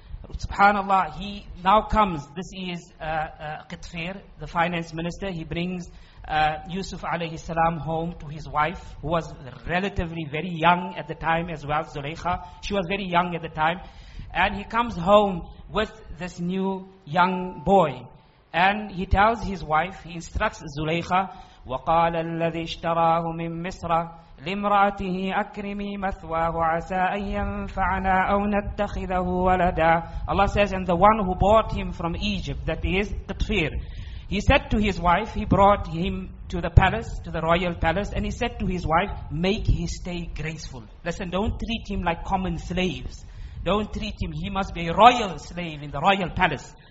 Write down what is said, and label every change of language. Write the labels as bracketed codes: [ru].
[en] Subhanallah, he now comes, this is Qitfir, the finance minister. He brings Yusuf alayhi salam home to his wife, who was relatively very young at the time as well, Zulaykha. She was very young at the time. And he comes home with this new young boy. [ar] And he tells his wife, he instructs Zulaykha, وَقَالَ الَّذِي اشْتَرَاهُ مِن مِصْرَ لِمْرَأَتِهِ أَكْرِمِي مَثْوَاهُ عَسَىٰ أَن يَنْفَعَنَا أَوْ نَتَّخِذَهُ وَلَدًا. [en] Allah says, and the one who bought him from Egypt, that is Qitfir, he said to his wife, he brought him to the palace, to the royal palace, and he said to his wife, make his stay graceful. Listen, don't treat him like common slaves. Don't treat him, he must be a royal slave in the royal palace.